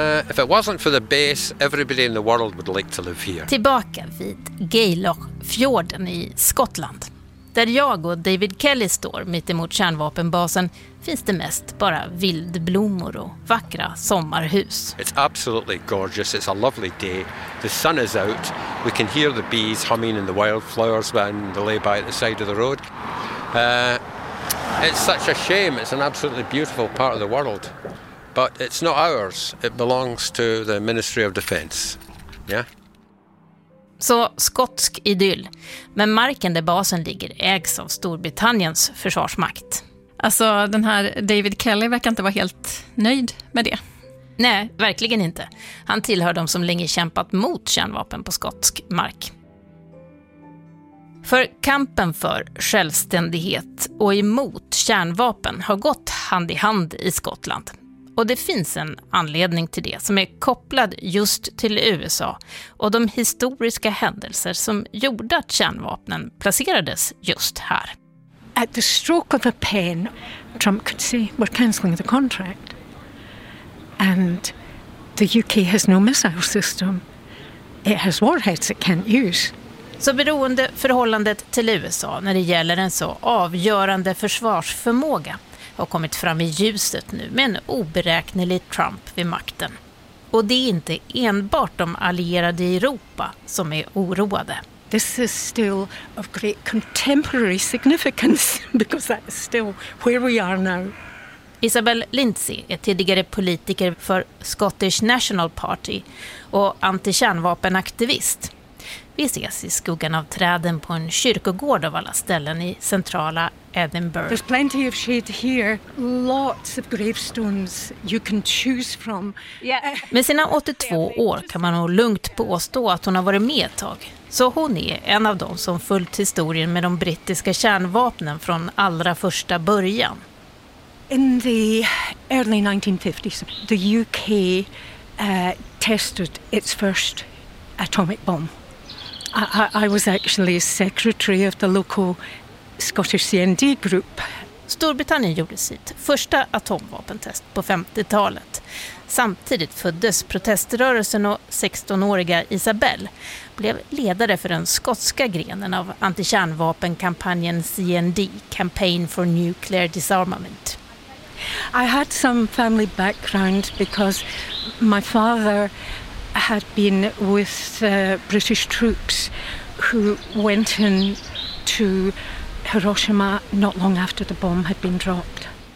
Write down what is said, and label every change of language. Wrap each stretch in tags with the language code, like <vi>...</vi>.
<en>If it wasn't for the base, everybody in the world would like to live here.</en> <sv>Tillbaka vid Gaelochfjorden i Skottland. Där jag och David Kelly står mitt emot kärnvapenbasen finns det mest bara vildblommor och vackra sommarhus.</sv> <en>It's absolutely gorgeous. It's a lovely day. The sun is out. We can hear the bees humming in the wildflowers when they lay by the side of the road. It's such a shame. It's an absolutely beautiful part of the world. But it's not ours. It belongs to the Ministry of Defense. Yeah?</en> <sv>Så skotsk idyll. Men marken där basen ligger ägs av Storbritanniens försvarsmakt. Alltså, den här David Kelly verkar inte vara helt nöjd med det. Nej, verkligen inte. Han tillhör de som länge kämpat mot kärnvapen på skotsk mark. För kampen för självständighet och emot kärnvapen har gått hand i hand i Skottland. Och det finns en anledning till det som är kopplad just till USA och de historiska händelser som gjorde att kärnvapnen placerades just här.</sv> <en>At the stroke of a pen, Trump could say, we're cancelling the contract. And the UK has no missile system. It has warheads it can't use.</en> <sv>Så beroende förhållandet till USA när det gäller en så avgörande försvarsförmåga har kommit fram i ljuset nu med en oberäknelig Trump vid makten. Och det är inte enbart de allierade i Europa som är oroade.</sv> <en>This is still of great contemporary significance because that is still where we are now.</en> <sv>Isabel Lindsay är tidigare politiker för Scottish National Party och antikärnvapenaktivist. Vi ses i skuggan av träden på en kyrkogård av alla ställen i centrala Edinburgh.</sv> <en>There's plenty of shade here, lots of gravestones you can choose from. Yeah.</en> <sv>Med sina 82 år kan man nog lugnt påstå att hon har varit med ett tag. Så hon är en av dem som följt historien med de brittiska kärnvapnen från allra första början.</sv> <en>In the early 1950s, the UK tested its first atomic bomb. I was actually secretary of the local Scottish CND group.</en> <sv>Storbritannien gjorde sitt första atomvapentest på 50-talet. Samtidigt föddes proteströrelsen och 16-åriga Isabel blev ledare för den skotska grenen av antikärnvapenkampanjen CND, Campaign for Nuclear Disarmament.</sv> <en>I had some family background because my father had been with British troops who went in to Hiroshima not long after the bomb had been dropped.</en>